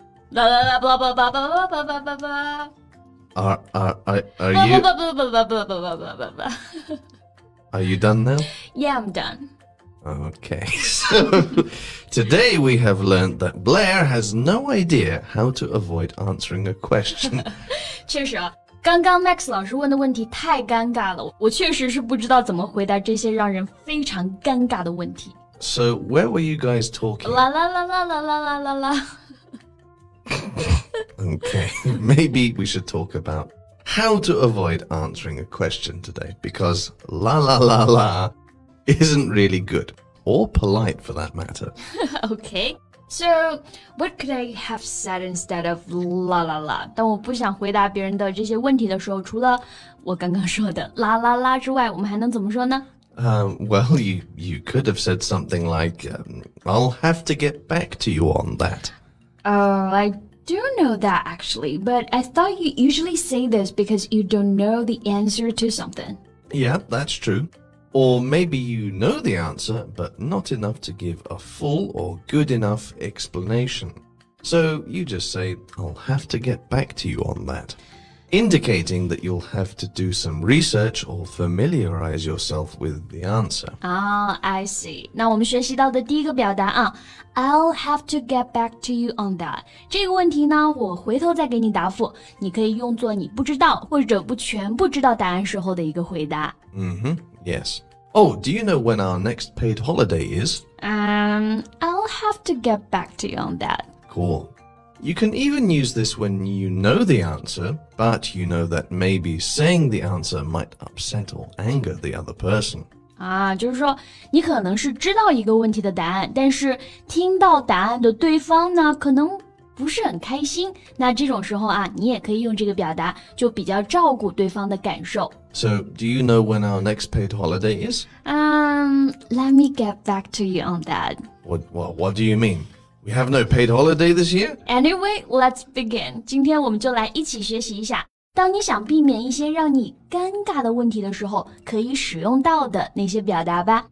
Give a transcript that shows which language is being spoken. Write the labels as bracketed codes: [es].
[en] La la la blah blah blah blah blah blah blah blah Are you... Blah blah blah blah blah blah blah blah blah blah. Are you done now? Yeah, I'm done. Okay, so today we have learned that Blair has no idea how to avoid answering a question. [zh] 确实啊，刚刚 Max 老师问的问题太尴尬了，我确实是不知道怎么回答这些让人非常尴尬的问题。 [en] So where were you guys talking? La la la la la la la la la. Okay, maybe we should talk about how to avoid answering a question today, because la la la la... isn't really good, or polite for that matter. Okay, so what could I have said instead of la la la? [zh] 当我不想回答别人的这些问题的时候，除了我刚刚说的啦啦啦之外，我们还能怎么说呢？ [en] Well, you could have said something like, I'll have to get back to you on that. I don't know that actually, but I thought you usually say this because you don't know the answer to something. Yeah, that's true. Or maybe you know the answer, but not enough to give a full or good enough explanation. So you just say, I'll have to get back to you on that. Indicating that you'll have to do some research or familiarize yourself with the answer. Ah, I see. [zh] 那我们学习到的第一个表达啊 [en] I'll have to get back to you on that. [zh] 这个问题呢我回头再给你答复。你可以用作你不知道或者不全不知道答案时候的一个回答。 [en] Mm-hmm, yes. Oh, do you know when our next paid holiday is? I'll have to get back to you on that. Cool. You can even use this when you know the answer, but you know that maybe saying the answer might upset or anger the other person. [zh] 就是说你可能是知道一个问题的答案，但是听到答案的对方呢，可能不是很开心。那这种时候啊，你也可以用这个表达，就比较照顾对方的感受。 [en] So, do you know when our next paid holiday is? Let me get back to you on that. What do you mean? We have no paid holiday this year? Anyway, let's begin. [zh] 今天我们就来一起学习一下，当你想避免一些让你尴尬的问题的时候，可以使用到的那些表达吧。